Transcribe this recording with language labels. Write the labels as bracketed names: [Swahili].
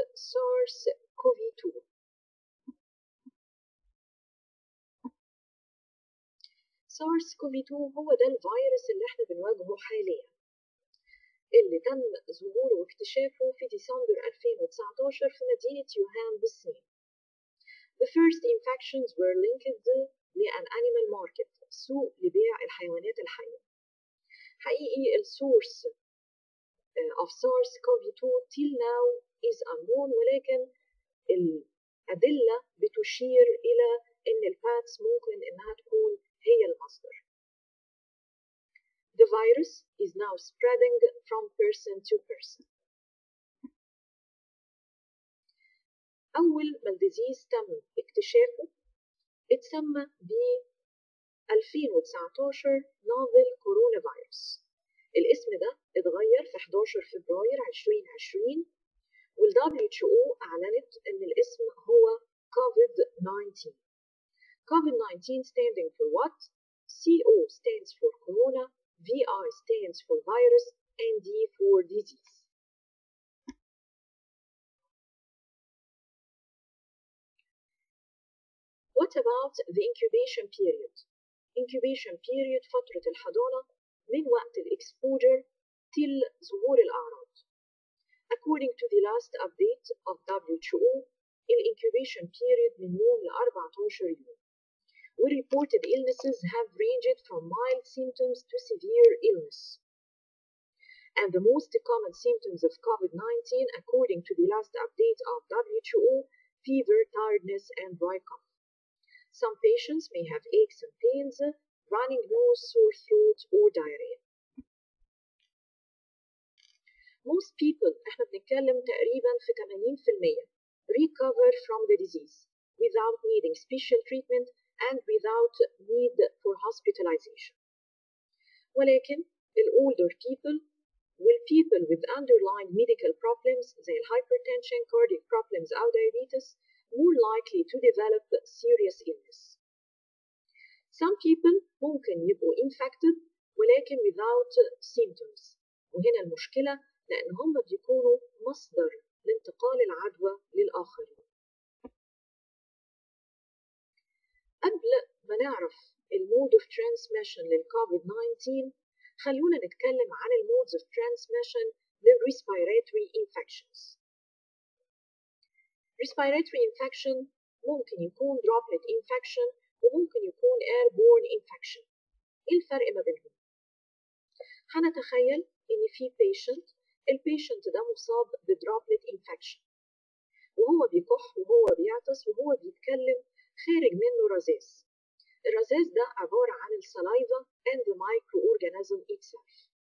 [Arabic] SARS-CoV-2 SARS-CoV-2 هو ده الفيروس اللي احنا بنواجهه حاليا، اللي تم ظهوره واكتشافه في ديسمبر 2019 في مدينة يوهان بالصين. [English] The first infections were linked to an animal market، [Arabic] سوق لبيع الحيوانات الحية. حقيقي السورس [English] of SARS-CoV-2 till now is unknown, [Arabic] ولكن الأدلة بتشير إلى أن الباتس ممكن أنها تكون هي المصدر. [English] The virus is now spreading from person to person. [Arabic] أول ما الديزيز تم اكتشافه اتسمى ب 2019 novel coronavirus. الاسم ده اتغير في 11 فبراير 2020 والـ WHO أعلنت أن الاسم هو COVID-19. [English] COVID-19 standing for what? CO stands for Corona, VI stands for Virus, and D for Disease. What about the incubation period? Incubation period, [Arabic] فترة الحضانة من وقت الإكسبوجر [English] till [Arabic] ظهور الأعراض. [English] According to the last update of WHO, the incubation period [Arabic] من يوم ل 14 يوم. [English] We reported illnesses have ranged from mild symptoms to severe illness. And the most common symptoms of COVID-19, according to the last update of WHO, fever, tiredness, and dry cough. Some patients may have aches and pains, running nose, sore throat, or diarrhea. Most people, [Arabic] احنا بنتكلم تقريبا في 80%, [English] recover from the disease without needing special treatment and without need for hospitalization. ولكن the older people, will people with underlying medical problems, say hypertension, cardiac problems, or diabetes, more likely to develop serious illness. Some people [Arabic] ممكن يبقوا [English] infected [Arabic] ولكن [English] without symptoms. [Arabic] وهنا المشكلة لأن هم بيكونوا مصدر لانتقال العدوى للآخرين. قبل ما نعرف [English] mode of transmission [Arabic] للCOVID-19 خلونا نتكلم عن [English] modes of transmission [Arabic] للrespiratory infections. [English] Respiratory infection [Arabic] ممكن يكون [English] droplet infection [Arabic] وممكن يكون [English] airborne infection. [Arabic] إيه الفرق ما بينهم؟ هنتخيل إن في patient البيشنت ده مصاب بدروبلت انفكشن وهو بيكح وهو بيعطس وهو بيتكلم خارج منه رذاذ. الرذاذ ده عبارة عن السلايفا [English] and the microorganism itself.